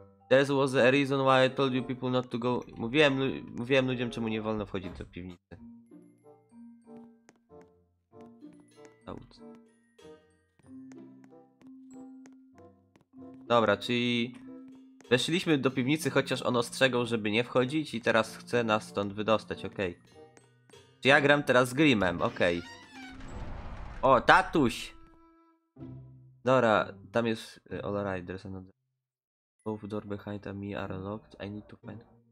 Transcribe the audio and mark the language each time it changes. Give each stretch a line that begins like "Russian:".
English: This was the reason why I told you people not to go...
Polish: Mówiłem ludziom, czemu nie wolno wchodzić do piwnicy. Dobra, czyli weszliśmy do piwnicy, chociaż on ostrzegał, żeby nie wchodzić i teraz chce nas stąd wydostać, okej. Czy ja gram teraz z Grimem, okej. O, tatuś! Dobra, tam jest
English: all riders. Both door behind me are locked, I need to find...